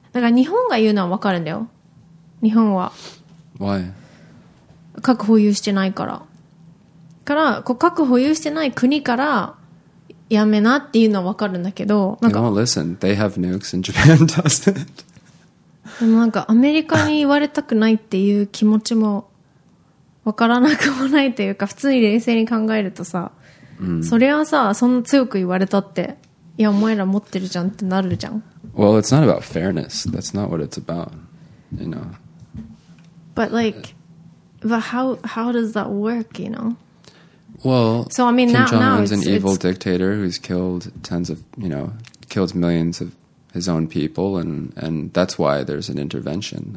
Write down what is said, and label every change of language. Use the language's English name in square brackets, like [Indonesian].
[Japanese] だから日本が言うのは分かるんだよ。日本は。 [English] Why? [Japanese] 核保有してないから。から、こう核保有してない国から、やめなっていうのは分かるんだけど、なんか [English] you know, listen, they have nukes and Japan doesn't. [Japanese] でもなんかアメリカに言われたくないっていう気持ちも分からなくもないというか、普通に冷静に考えるとさ、それはさ、そんな強く言われたって、いやお前ら持ってるじゃんってなるじゃん。 [English] Well, it's not about fairness. That's not what it's about, you know. But like, how does that work, you know? Well, so, I mean, Kim Jong-un's an evil dictator who's killed tens of, you know, killed millions of his own people, and that's why there's an intervention.